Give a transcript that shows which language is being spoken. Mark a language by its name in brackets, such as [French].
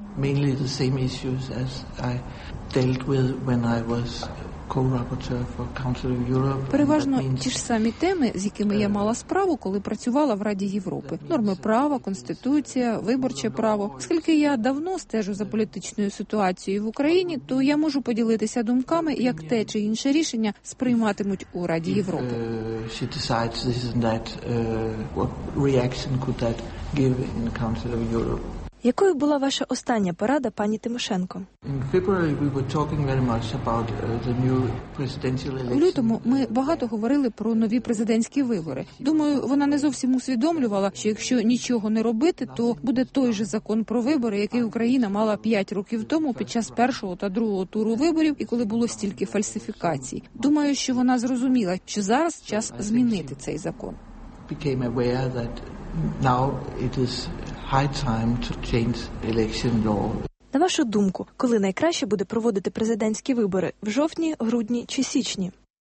[English] Mainly the same issues as I dealt with when I was co-rapporteur for Council of Europe. [Ukrainian] Переважно ті ж самі теми, з якими я мала справу, коли працювала в Раді Європи. Норми права, конституція, виборче право. Оскільки я давно стежу за політичною ситуацією в Україні, то я можу поділитися думками, як те чи інше рішення сприйматимуть у Раді Європи. [English] She decides this and that, what reaction could that give in the Council of Europe? [Ukrainian] Якою була ваша остання порада пані Тимошенко? У лютому ми багато говорили про нові президентські вибори. Думаю, вона не зовсім усвідомлювала, що якщо нічого не робити, то буде той же закон про вибори, який Україна мала 5 років тому під час першого та другого туру виборів і коли було стільки фальсифікацій. Думаю, що вона зрозуміла, що зараз час змінити цей закон. [English] High time to change election law. [Ukrainian] На вашу думку, коли найкраще буде проводити президентські вибори? В жовтні, грудні чи січні?